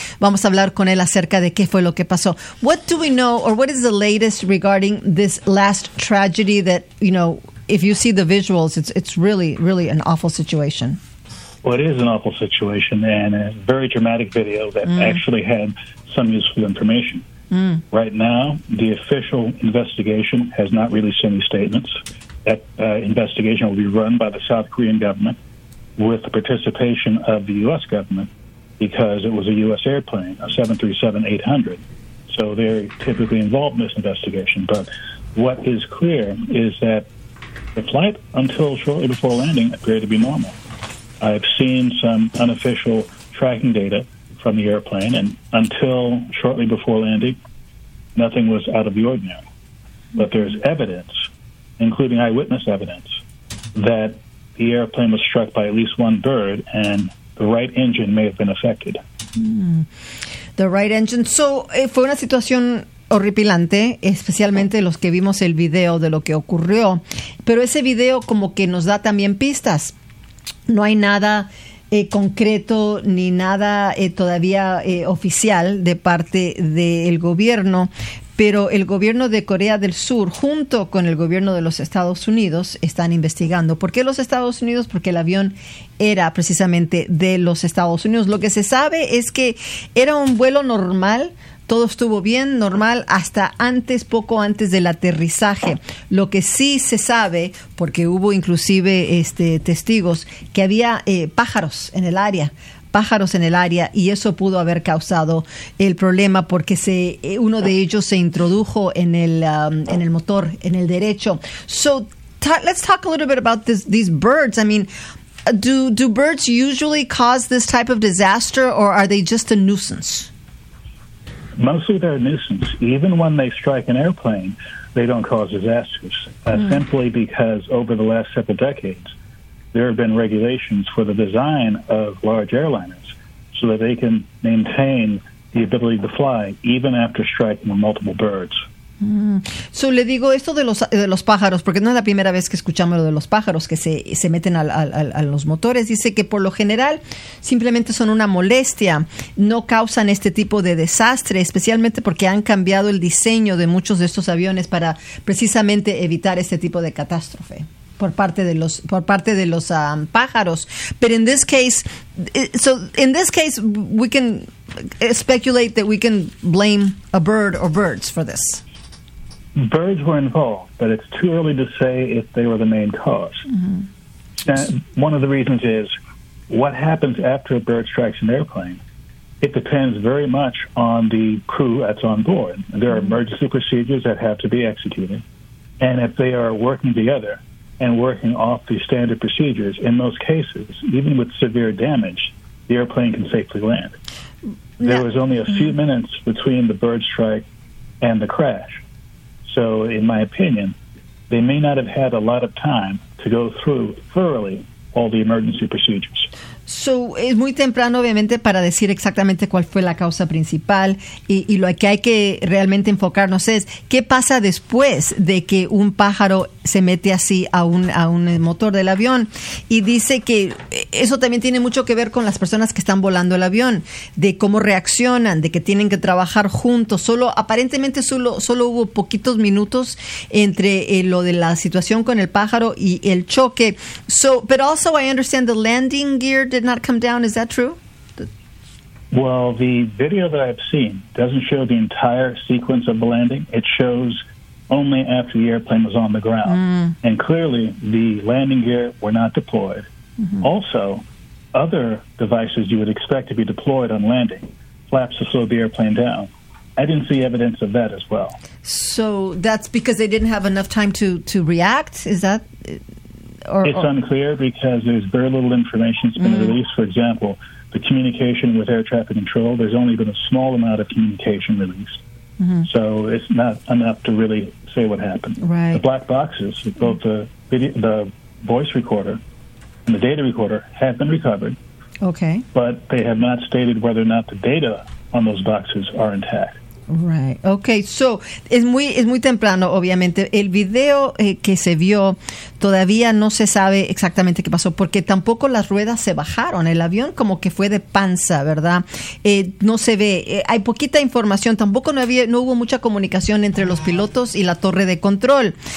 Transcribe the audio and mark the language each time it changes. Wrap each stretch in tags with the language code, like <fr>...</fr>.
<es>Vamos a hablar con él acerca de qué fue lo que pasó.</es> <en>What do we know, or what is the latest regarding this last tragedy that, you know, if you see the visuals, it's really, really an awful situation. Well, it is an awful situation and a very dramatic video that actually had some useful information. Mm. Right now, the official investigation has not released any statements. That investigation will be run by the South Korean government with the participation of the U.S. government because it was a U.S. airplane, a 737-800. So they're typically involved in this investigation. But what is clear is that the flight, until shortly before landing, appeared to be normal. I've seen some unofficial tracking data from the airplane, and until shortly before landing, nothing was out of the ordinary. But there's evidence, including eyewitness evidence, that the airplane was struck by at least one bird, and the right engine may have been affected. The right engine.</en> <es>So, fue una situación horripilante, especialmente los que vimos el video de lo que ocurrió. Pero ese video como que nos da también pistas. No hay nada concreto ni nada todavía oficial de parte del gobierno, pero el gobierno de Corea del Sur junto con el gobierno de los Estados Unidos están investigando. ¿Por qué los Estados Unidos? Porque el avión era precisamente de los Estados Unidos. Lo que se sabe es que era un vuelo normal. Todo estuvo bien, normal, hasta antes, poco antes del aterrizaje. Lo que sí se sabe, porque hubo inclusive testigos, que había pájaros en el área, y eso pudo haber causado el problema, porque uno de ellos se introdujo en el motor, en el derecho.</es> <en>So, let's talk a little bit about these birds. I mean, do birds usually cause this type of disaster, or are they just a nuisance? Mostly they're a nuisance. Even when they strike an airplane, they don't cause disasters, simply because over the last several decades, there have been regulations for the design of large airliners so that they can maintain the ability to fly even after striking multiple birds.</en> <es>So, le digo esto de los pájaros, porque no es la primera vez que escuchamos lo de los pájaros que se meten a los motores. Dice que por lo general simplemente son una molestia, no causan este tipo de desastre, especialmente porque han cambiado el diseño de muchos de estos aviones para precisamente evitar este tipo de catástrofe por parte de los pájaros.</es> <en>But in this case, we can speculate that we can blame a bird or birds for this. Birds were involved, but it's too early to say if they were the main cause. Mm-hmm. One of the reasons is what happens after a bird strikes an airplane. It depends very much on the crew that's on board. There are emergency procedures that have to be executed. And if they are working together and working off the standard procedures, in most cases, even with severe damage, the airplane can safely land. Yeah. There was only a few minutes between the bird strike and the crash. So, in my opinion, they may not have had a lot of time to go through thoroughly all the emergency procedures.</en> <es>So, es muy temprano, obviamente, para decir exactamente cuál fue la causa principal. Y lo que hay que realmente enfocarnos es, ¿qué pasa después de que un pájaro se mete así a un motor del avión. Y dice que eso también tiene mucho que ver con las personas que están volando el avión, de cómo reaccionan, de que tienen que trabajar juntos. Aparentemente solo hubo poquitos minutos entre lo de la situación con el pájaro y el choque.</es> <en>But also I understand the landing gear did not come down. Is that true? Well, the video that I've seen doesn't show the entire sequence of the landing. It shows only after the airplane was on the ground. Mm. And clearly, the landing gear were not deployed. Mm-hmm. Also, other devices you would expect to be deployed on landing, flaps to slow the airplane down, I didn't see evidence of that as well. So that's because they didn't have enough time to react? Is that... It's unclear because there's very little information that's been released. For example, the communication with air traffic control, there's only been a small amount of communication released. Mm-hmm. So it's not enough to really say what happened. Right. The black boxes, both the video, the voice recorder and the data recorder, have been recovered. Okay. But they have not stated whether or not the data on those boxes are intact. Right. Okay.</en> <es>So, es muy temprano, obviamente. El video que se vio, todavía no se sabe exactamente qué pasó, porque tampoco las ruedas se bajaron. El avión como que fue de panza, ¿verdad? No se ve. Hay poquita información. Tampoco no hubo mucha comunicación entre los pilotos y la torre de control.</es>